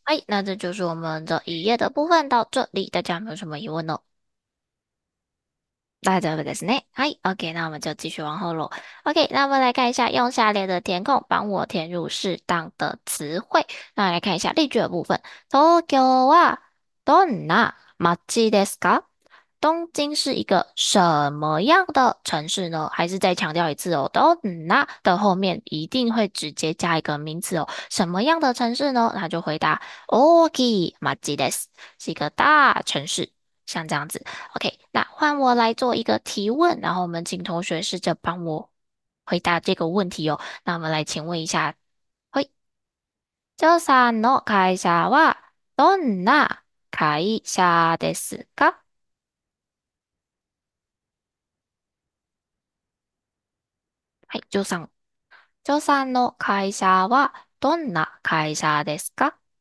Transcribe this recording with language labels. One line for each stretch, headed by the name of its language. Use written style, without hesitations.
Chinese: はい、那这就是我们的一页的部分到这里，大家有没有什么疑问呢？
Japanese: 大丈夫ですね。はい。
Chinese: OK。 那我们就继续往后喽。OK。那我们来看一下，用下列的填空帮我填入适当的词汇。那来看一下例句的部分。
Japanese: 東京はどんな街ですか？
Chinese: 东京是一个什么样的城市呢？还是再强调一次哦。どんな的后面一定会直接加一个名词哦。什么样的城市呢？那就回答
Japanese: 大きい街です。
Chinese: 是一个大城市。像这样子，OK，那换我来做一个提问，然后我们请同学试着帮我回答这个问题哦。那我们来请问一下，
Japanese: ジョーさんの会社はどんな会社ですか？はい、ジョーさんの会社はどんな会社ですか？